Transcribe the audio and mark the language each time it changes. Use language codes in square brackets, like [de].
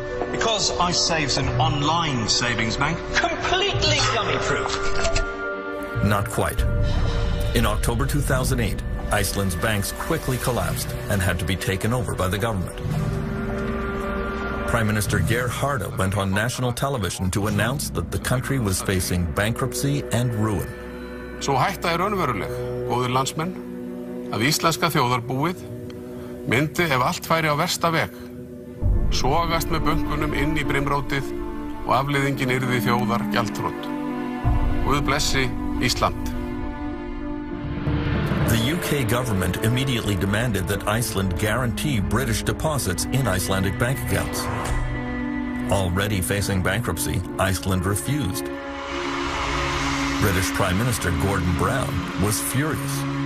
[en] Because Icesave's an online savings bank, completely dummy-proof. Not quite. In October 2008, Iceland's banks quickly collapsed and had to be taken over by the government. Prime Minister Geir Harde went on national television to announce that the country was facing bankruptcy and ruin. [is] Svo hætta er raunveruleg, góðir landsmenn. Að íslenska þjóðarbúið myndi ef allt færi á versta veg sogast með bönkunum inn í brimrótið og afleiðingin yrði þjóðar gjaldþrot. Guð blessi Ísland. [en] The UK government immediately demanded that Iceland guarantee British deposits in Icelandic bank accounts. Already facing bankruptcy, Iceland refused. British Prime Minister Gordon Brown was furious.